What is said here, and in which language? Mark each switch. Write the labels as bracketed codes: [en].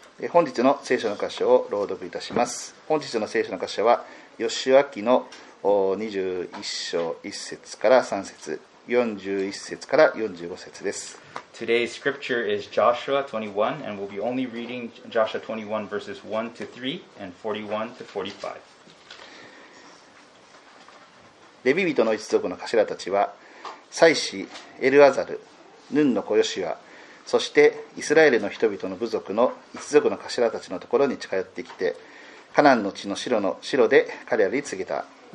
[ja] 本日の聖書の箇所を朗読いたします。本日の聖書の箇所はヨシュア記の21章1節から3節、41節から45節です。 [en] Today's scripture is Joshua 21 and we'll be only reading Joshua 21 verses 1 to 3 and 41 to 45。 [ja] レビ人の一族の頭たちは祭司エルアザル、ヌンの子ヨシュア、そしてイスラエルの人々の部族の一族の頭たちのところに近寄ってきて、カナンの地の城の城で彼らに告げた。